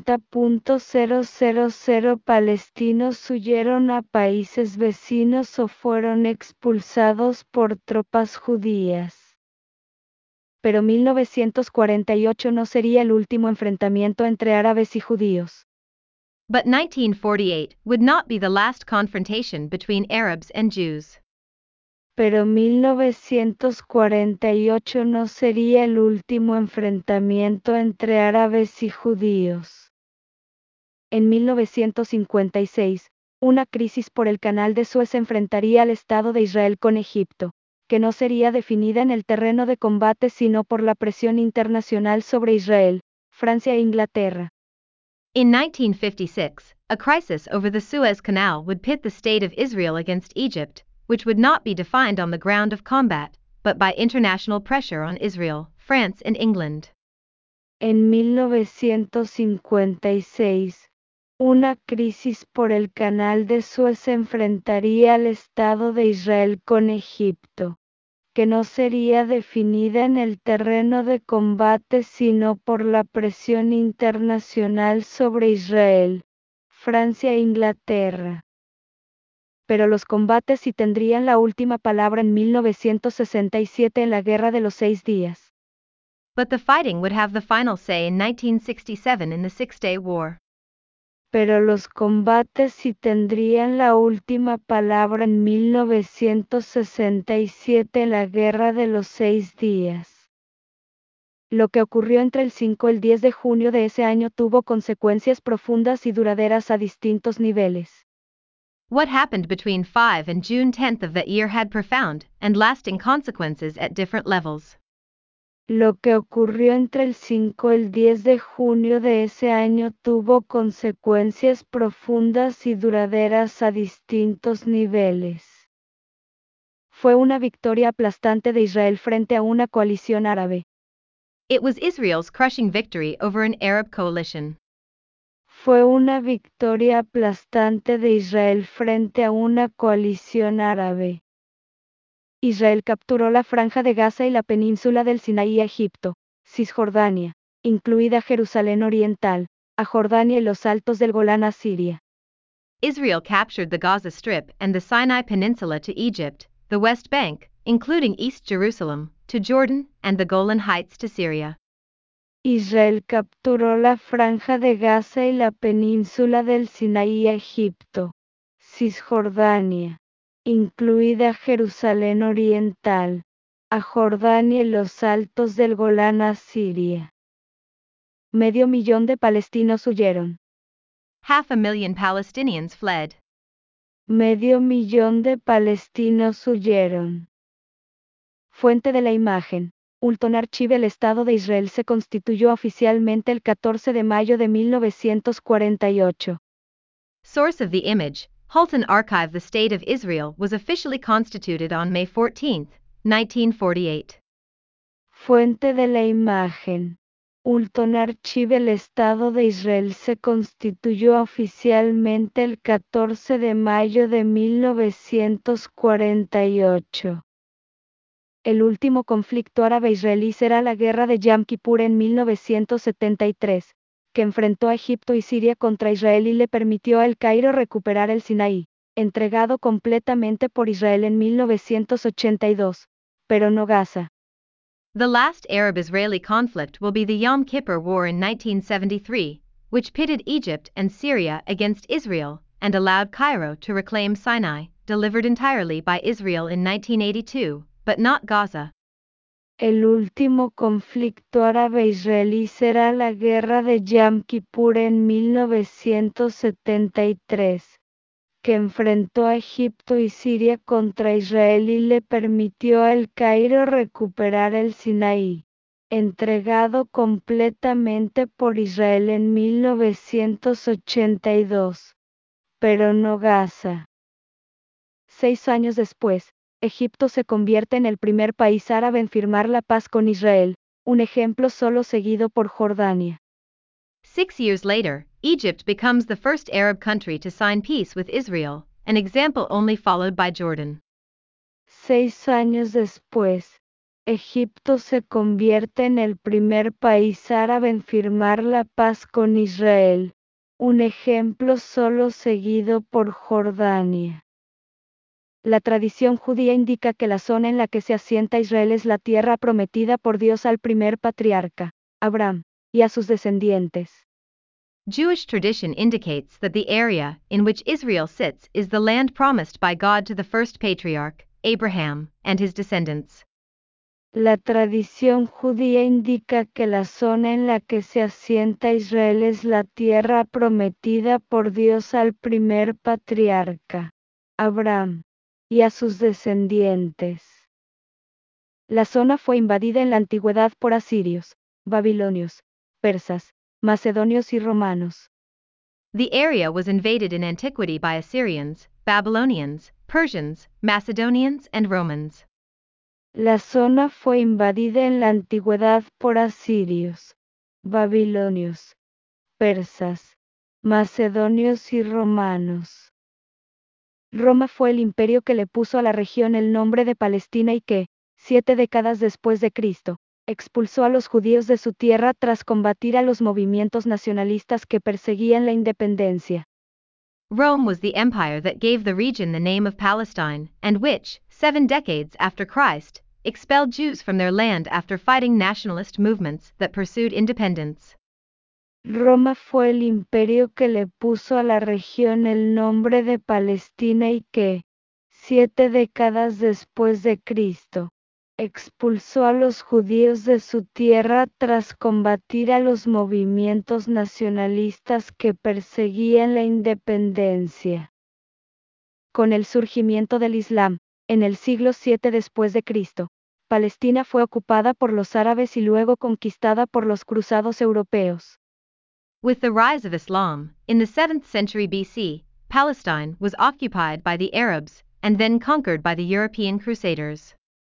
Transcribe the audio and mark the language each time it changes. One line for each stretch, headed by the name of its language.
Spanish: 750.000 palestinos huyeron a países vecinos o fueron expulsados por tropas judías. Pero 1948 no sería el último enfrentamiento entre árabes y judíos.
English: But 1948 would not be the last confrontation between Arabs and Jews.
Spanish: Pero 1948 no sería el último enfrentamiento entre árabes y judíos. En 1956, una crisis por el Canal de Suez enfrentaría al Estado de Israel con Egipto, que no sería definida en el terreno de combate sino por la presión internacional sobre Israel, Francia e Inglaterra.
English: In 1956, a crisis over the Suez Canal would pit the state of Israel against Egypt, which would not be defined on the ground of combat, but by international pressure on Israel, France and England.
Spanish: En 1956, una crisis por el canal de Suez enfrentaría al Estado de Israel con Egipto, que no sería definida en el terreno de combate sino por la presión internacional sobre Israel, Francia e Inglaterra. Pero los combates sí tendrían la última palabra en 1967 en la Guerra de los Seis Días.
English: But the fighting would have the final say in 1967 in the Six-Day War.
Spanish: Pero los combates sí tendrían la última palabra en 1967 en la Guerra de los Seis Días. Lo que ocurrió entre el 5 y el 10 de junio de ese año tuvo consecuencias profundas y duraderas a distintos niveles.
English: What happened between 5 and June 10th of that year had profound and lasting consequences at different levels.
Spanish: Lo que ocurrió entre el 5 y el 10 de junio de ese año tuvo consecuencias profundas y duraderas a distintos niveles. Fue una victoria aplastante de Israel frente a una coalición árabe.
English: It was Israel's crushing victory over an Arab coalition.
Spanish: Fue una victoria aplastante de Israel frente a una coalición árabe. Israel capturó la Franja de Gaza y la península del Sinaí a Egipto, Cisjordania, incluida Jerusalén Oriental, a Jordania y los Altos del Golán a Siria.
English: Israel captured the Gaza Strip and the Sinai Peninsula to Egypt, the West Bank, including East Jerusalem, to Jordan, and the Golan Heights to Syria.
Spanish: Israel capturó la Franja de Gaza y la península del Sinaí a Egipto, Cisjordania, incluida Jerusalén Oriental, a Jordania y los Altos del Golán a Siria. Medio millón de palestinos huyeron.
English: Half a million Palestinians fled.
Spanish: Medio millón de palestinos huyeron. Fuente de la imagen. Ulton Archive. El Estado de Israel se constituyó oficialmente el 14 de mayo de 1948.
English: Source of the image. Ulton Archive. The State of Israel was officially constituted on May 14, 1948.
Spanish: Fuente de la imagen. Ulton Archive. El Estado de Israel se constituyó oficialmente el 14 de mayo de 1948. El último conflicto árabe-israelí será la Guerra de Yom Kippur en 1973. Que enfrentó a Egipto y Siria contra Israel y le permitió al Cairo recuperar el Sinaí, entregado completamente por Israel en 1982, pero no Gaza.
English: The last Arab-Israeli conflict will be the Yom Kippur War in 1973, which pitted Egypt and Syria against Israel, and allowed Cairo to reclaim Sinai, delivered entirely by Israel in 1982, but not Gaza.
Spanish: El último conflicto árabe-israelí será la Guerra de Yom Kippur en 1973, que enfrentó a Egipto y Siria contra Israel y le permitió al Cairo recuperar el Sinaí, entregado completamente por Israel en 1982, pero no Gaza. Seis años después, Egipto se convierte en el primer país árabe en firmar la paz con Israel, un ejemplo solo seguido por Jordania.
English: Six years later, Egypt becomes the first Arab country to sign peace with Israel, an example only followed by Jordan.
Spanish: Seis años después, Egipto se convierte en el primer país árabe en firmar la paz con Israel, un ejemplo solo seguido por Jordania. La tradición judía indica que la zona en la que se asienta Israel es la tierra prometida por Dios al primer patriarca, Abraham, y a sus descendientes.
English: Jewish tradition indicates that the area in which Israel sits is the land promised by God to the first patriarch, Abraham, and his descendants.
Spanish: La tradición judía indica que la zona en la que se asienta Israel es la tierra prometida por Dios al primer patriarca, Abraham, y a sus descendientes. La zona fue invadida en la antigüedad por asirios, babilonios, persas, macedonios y romanos.
English: The area was invaded in antiquity by Assyrians, Babylonians, Persians, Macedonians, and Romans.
Spanish: La zona fue invadida en la antigüedad por asirios, babilonios, persas, macedonios y romanos. Roma fue el imperio que le puso a la región el nombre de Palestina y que, siete décadas después de Cristo, expulsó a los judíos de su tierra tras combatir a los movimientos nacionalistas que perseguían la independencia.
English: Rome was the empire that gave the region the name of Palestine, and which, seven decades after Christ, expelled Jews from their land after fighting nationalist movements that pursued independence.
Spanish: Roma fue el imperio que le puso a la región el nombre de Palestina y que, siete décadas después de Cristo, expulsó a los judíos de su tierra tras combatir a los movimientos nacionalistas que perseguían la independencia. Con el surgimiento del Islam, en el siglo VII después de Cristo, Palestina fue ocupada por los árabes y luego conquistada por los cruzados europeos.
English: With the rise of Islam, in the 7th century BC, Palestine was occupied by the Arabs and then conquered by the European Crusaders.